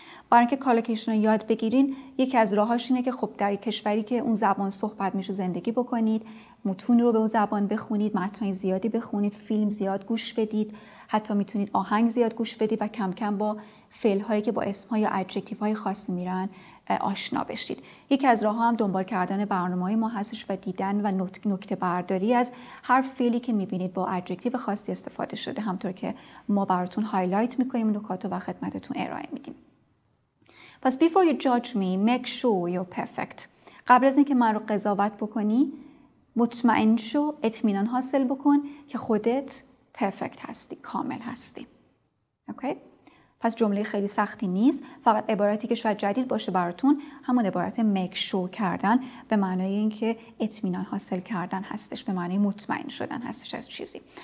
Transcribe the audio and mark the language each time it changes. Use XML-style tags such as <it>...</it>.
<fa>برای اینکه کالکیشن رو یاد بگیرین، یکی از راهاش اینه که خب در کشوری که اون زبان صحبت میشه زندگی بکنید، متون رو به اون زبان بخونید، متن زیادی بخونید، فیلم زیاد گوش بدید، حتی میتونید آهنگ زیاد گوش بدید و کم کم با فعل هایی که با اسم ها یا ادجکتیو های خاص میرن آشنا بشید. یکی از راه ها هم دنبال کردن برنامه های ما هستش و دیدن و نکته برداری از هر فعلی که میبینید با ادجکتیو خاصی استفاده شده، همطور که ما براتون هایلایت میکنیم نکات رو و خدمتتون ارائه میدیم. پس</fa> <en>before you judge me, make sure you're perfect.</en> <fa>قبل از اینکه من رو قضاوت بکنی، مطمئن شو، اطمینان حاصل بکن که خودت پرفکت هستی، کامل هستی. اوکی؟ پس جمله خیلی سختی نیست، فقط عبارتی که شاید جدید باشه براتون همون عبارت make sure کردن به معنای اینکه اطمینان حاصل کردن هستش، به معنای مطمئن شدن هستش از چیزی.</fa>